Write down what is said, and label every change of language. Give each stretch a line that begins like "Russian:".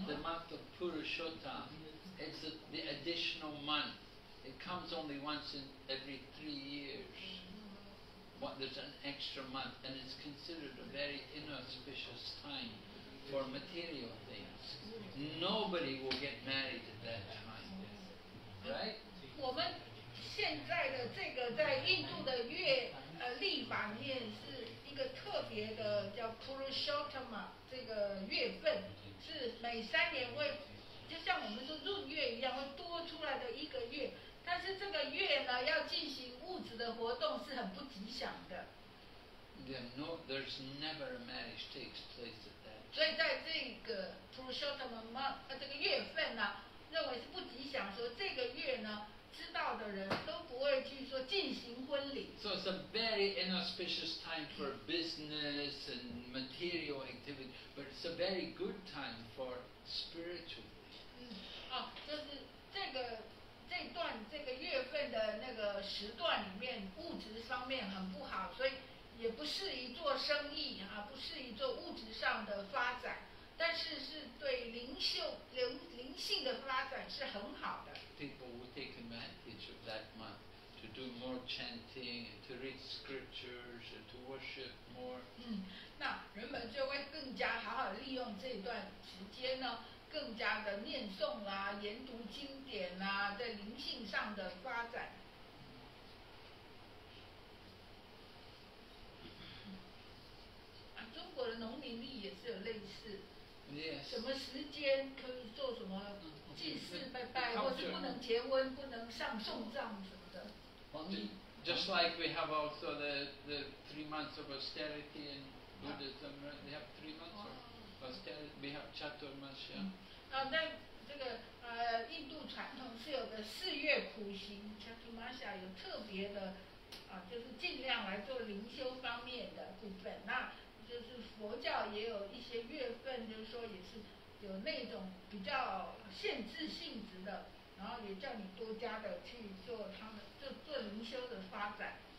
English: The month of Purushottam, it's the additional month. It comes only once in every 3 years. There's an extra month, and it's considered a very inauspicious time for material things. Nobody will get married at that time, right?
Chinese: 我们现在的这个在印度的月历法里面是一个特别的叫 Purushottam。这个月份是每三年会，就像我们说闰月一样，会多出来的一个月。但是这个月呢，要进行物质的活动是很不吉祥的。
English: Yeah, no, there's never a marriage takes place at that.
Chinese: 所以在这个Purushottam month，这个月份呢，认为是不吉祥，说这个月呢，知道的人都不会去说进行婚礼。
English: So it's a very inauspicious time for business and material activity, but it's a very good time for spiritual.
Chinese: 嗯，啊，就是这个这段这个月份的那个时段里面，物质方面很不好，所以也不适宜做生意啊，不适宜做物质上的发展。但是是对灵性的发展是很好的。
English: People will take advantage of that month to do more chanting, to read scriptures, to worship more.
Chinese: 那人们就会更加好好利用这段时间呢，更加的念诵啦，研读经典啦，在灵性上的发展。啊，中国的农民历也是有类似。
English: Yes.
Chinese: 什么时间可以做什么祭祀拜拜，或是不能结婚，不能上送葬什么的。
English: Just like we have also the 3 months of austerity in Buddhism, right? They have 3 months of austerity. We have Chaturmasya.
Chinese: 那这个印度传统是有个四月苦行 ，Chaturmasya 有特别的啊，就是尽量来做灵修方面的部分。那就是佛教也有一些月份，就是说也是有那种比较限制性质的，然后也叫你多加的去做他们就做灵修的发展。